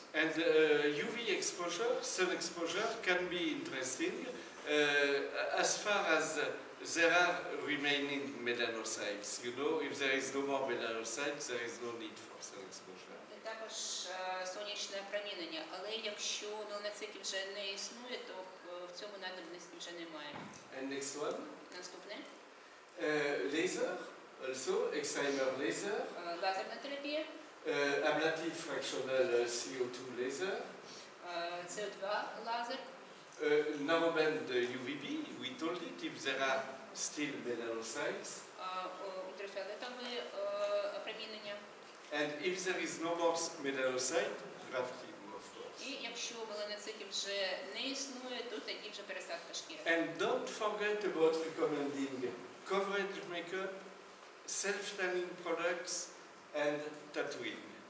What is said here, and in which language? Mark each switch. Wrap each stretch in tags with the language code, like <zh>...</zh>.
<en>And UV exposure, sun exposure can be interesting as far as there are remaining melanocytes. You know, if there is no more melanocytes, there is no need for sun exposure.</en> <uk>І також сонячне промінення. Але якщо меланоцитів вже не існує, то в цьому надобності вже немає.</uk> <en>And next one.</en> <uk>Наступне.</uk> <en>Laser, also, excimer laser.</en> <uk>Лазерна терапія.</uk> <en>Ablative fractional CO2 laser.</en> <uk>CO2 лазер.</uk> <en>Narrowband UVB, we told it, if there are still melanocytes.</en> <uk>Ультрафіолетове опромінення.</uk> <en>And if there is no more melanocyte, grafting, of course.</en> <uk>І якщо меланоцитів вже не існує, то тоді вже пересадка шкіри.</uk> <en>And don't forget about recommending coverage makeup, self-tanning products and tattooing.</en>